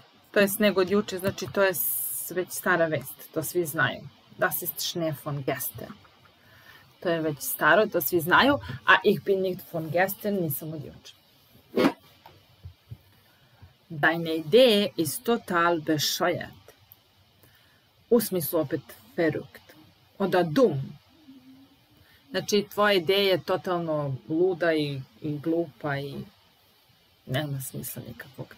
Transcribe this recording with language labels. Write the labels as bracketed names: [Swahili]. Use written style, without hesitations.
[Serbian] To je sneg od juče, znači to je već stara vest. To svi znaju. [German] Das ist Schnee von gestern. [Serbian] To je već staro, to svi znaju. [German] A ich bin nicht von gestern, [Serbian] nisam od juče. [German] Deine Idee ist total bescheuert. [Serbian] U smislu opet verrückt. Oda dum. Znači, tvoja ideja je totalno luda i glupa i nema smisla nikakvog.